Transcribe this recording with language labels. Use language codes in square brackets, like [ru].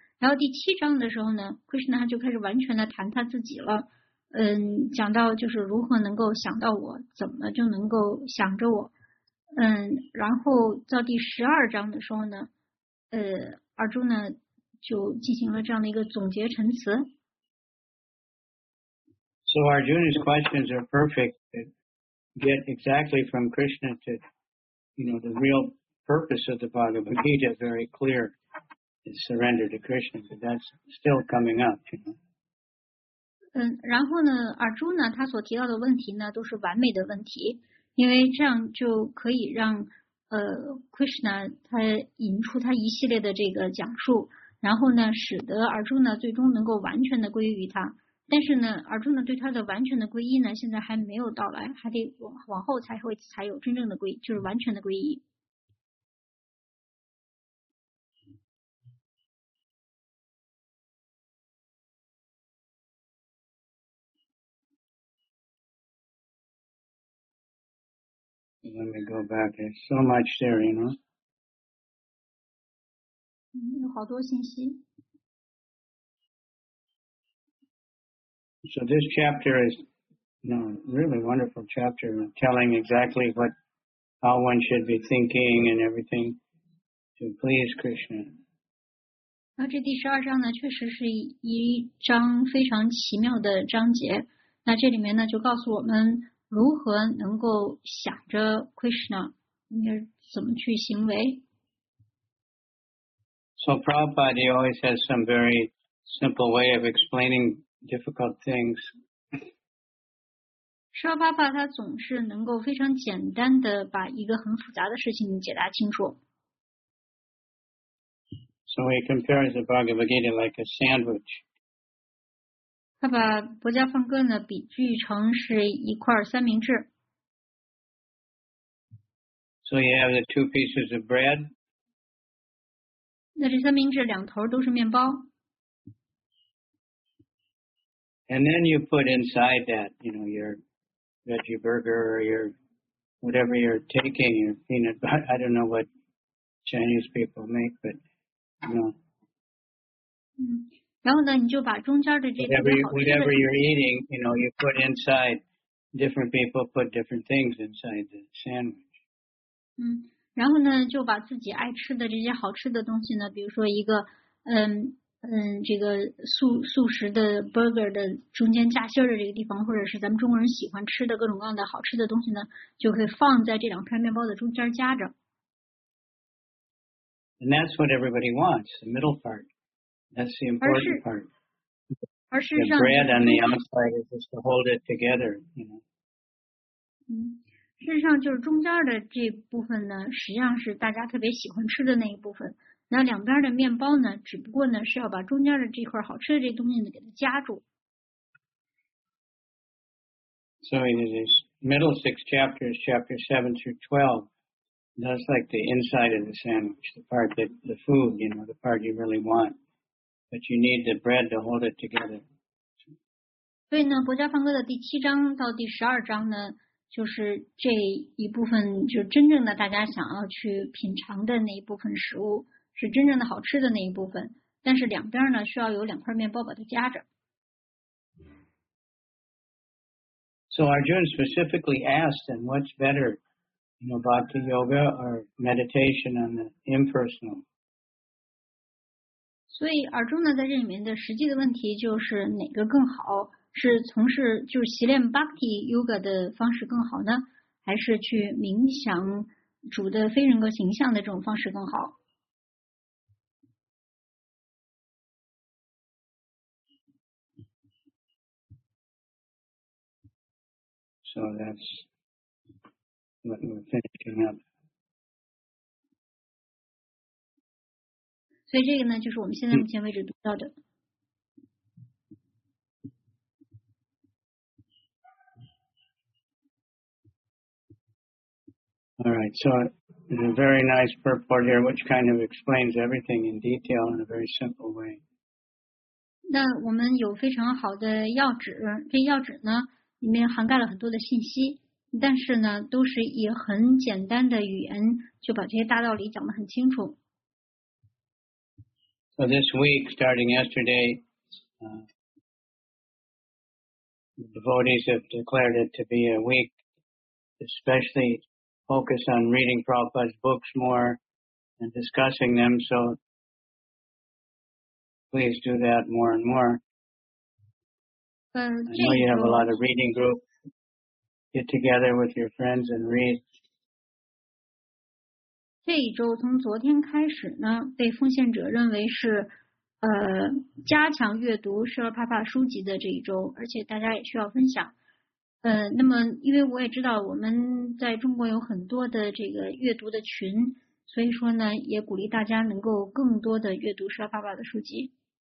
[zh] 然后第七章的时候呢 ，Krishna 就开始完全的谈他自己了，讲到就是如何能够想到我，怎么就能够想着我，然后到第十二章的时候呢，Arjuna 就进行了这样的一个总结陈词。 [en] So Arjuna's questions are perfect to get exactly from Krishna to, you know, the real purpose of the Bhagavad Gita very clear. Is surrender to Krishna, but that's still coming up, you know. [zh] 然后呢，阿朱呢，他所提到的问题呢，都是完美的问题，因为这样就可以让Krishna 他引出他一系列的这个讲述，然后呢，使得阿朱呢最终能够完全的归于他。但是呢，阿朱呢对他的完全的皈依呢，现在还没有到来，还得往后才有真正的皈，就是完全的皈依。 [en] Let me go back. There's so much there, you know. [zh] 有好多信息。 [en] So this chapter is, you know, really wonderful chapter, telling exactly what, how one should be thinking and everything to please Krishna. [zh] 那这第十二章呢，确实是一章非常奇妙的章节。那这里面呢，就告诉我们。如何能够想着 Krishna 应该怎么去行为 [en] So Prabhupada always has some very simple way of explaining difficult things. [zh] 沙巴巴他总是能够非常简单的把一个很复杂的事情解答清楚 [en] So he compares the Bhagavad Gita like a sandwich. [zh] 他把薄伽梵歌呢比喻成是一块三明治。 [en] So you have the two pieces of bread. [zh] 那这三明治两头都是面包。 [en] And then you put inside that, you know, your veggie burger or your whatever you're taking, your peanut butter. I don't know what Chinese people make, but you know. [zh] 然后呢，你就把中间的这个 [en] whatever you're eating, you know, you put inside. Different people put different things inside the sandwich. [zh] 然后呢，就把自己爱吃的这些好吃的东西呢，比如说一个，这个素食的 burger 的中间夹心的这个地方，或者是咱们中国人喜欢吃的各种各样的好吃的东西呢，就可以放在这两片面包的中间夹着。 [en] And that's what everybody wants, the middle part. That's the important part. The bread on the outside is just to hold it together, you know. [zh] 事实上就是中间的这部分呢，实际上是大家特别喜欢吃的那一部分。那两边的面包呢，只不过呢是要把中间的这块好吃的这东西呢给它夹住。 [en] So in this middle six chapters, chapter 7 through 12, that's like the inside of the sandwich, the part that the food, you know, the part you really want. But you need the bread to hold it together. [zh] 所以呢，薄伽梵歌的第七章到第十二章呢，就是这一部分，就是真正的大家想要去品尝的那一部分食物，是真正的好吃的那一部分。但是两边呢，需要有两块面包把它夹着。 [en] So Arjuna specifically asked, "And what's better, you know, bhakti yoga or meditation on the impersonal?" [zh] 所以耳中呢在这里面的实际的问题就是哪个更好是从事就是习练 Bhakti Yoga 的方式更好呢还是去冥想主的非人格形象的这种方式更好 [en] So that's what we're finishing up. [zh] 所以这个呢，就是我们现在目前为止读到的。 [en] All right, so there's a very nice purport here, which kind of explains everything in detail in a very simple way. [zh] 那我们有非常好的要旨，这要旨呢，里面涵盖了很多的信息，但是呢，都是以很简单的语言就把这些大道理讲得很清楚。 [en] So this week, starting yesterday, the devotees have declared it to be a week, especially focused on reading Prabhupada's books more and discussing them. So please do that more and more. I know you have a lot of reading group. Get together with your friends and read. [zh] 这一周从昨天开始呢，被奉献者认为是加强阅读舍勒帕帕书籍的这一周，而且大家也需要分享。那么因为我也知道我们在中国有很多的这个阅读的群，所以说呢，也鼓励大家能够更多的阅读舍勒帕帕的书籍。